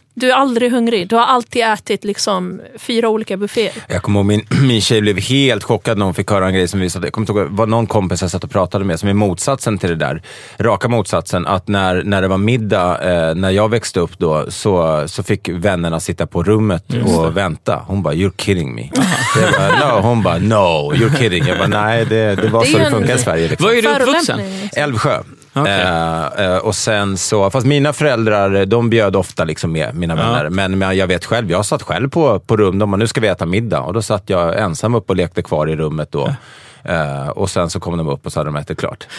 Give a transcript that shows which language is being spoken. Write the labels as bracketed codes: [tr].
[sv] Du är aldrig hungrig. Du har alltid ätit liksom 4 olika bufféer. Jag kommer ihåg, min tjej blev helt chockad när hon fick höra en grej som visade. Jag kommer ihåg vad någon kompis jag satt och pratade med som är motsatsen till det där. Raka motsatsen. Att när det var middag, när jag växte upp då, så fick vännerna sitta på rummet och vänta. Hon bara, [en] you're kidding me. Hon bara, no, you're kidding. [sv] Jag bara, nej, det var det så det funkar i Sverige. Liksom. Var är du uppvuxen? Älvsjö. [en] Okay. [sv] Och sen så, fast mina föräldrar, de bjöd ofta liksom med mina vänner. Men jag vet själv, jag satt själv på rum, och nu ska vi äta middag. Och då satt jag ensam upp och lekte kvar i rummet då. Och sen så kom de upp och så hade de ätit klart.